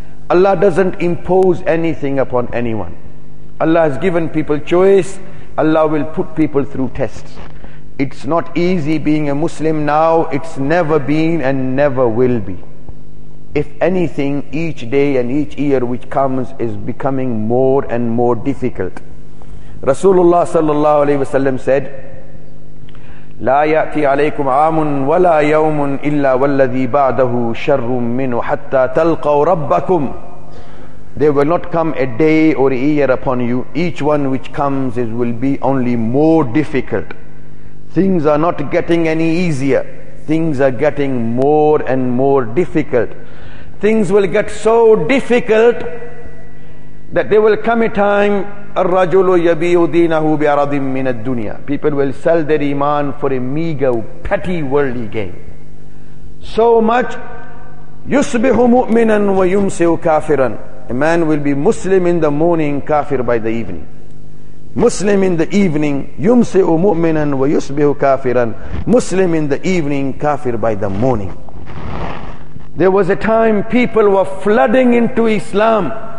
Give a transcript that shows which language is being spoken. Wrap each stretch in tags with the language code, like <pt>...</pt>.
<en>Allah doesn't impose anything upon anyone. Allah has given people choice. Allah will put people through tests. It's not easy being a Muslim now. It's never been and never will be. If anything, each day and each year which comes is becoming more and more difficult. Rasulullah sallallahu alaihi wasallam said,</en> <ar>لا يأتي عليكم عام ولا يوم إلا والذي بعده شر منه حتى تلقوا ربكم.</ar> <en>There will not come a day or a year upon you. Each one which comes is will be only more difficult. Things are not getting any easier. Things are getting more and more difficult. Things will get so difficult that there will come a time,</en> <ar>الرجل يبيع دينه بأرض من الدنيا.</ar> <en>People will sell their iman for a meager, petty worldly gain. So much,</en> <ar>يصبح مؤمنا ويمسي كافرا.</ar> <en>A man will be Muslim in the morning, kafir by the evening. Muslim in the evening,</en> <ar>yumsi'u mu'minan wa yusbihu kafiran.</ar> <en>Muslim in the evening, kafir by the morning. There was a time people were flooding into Islam.</en>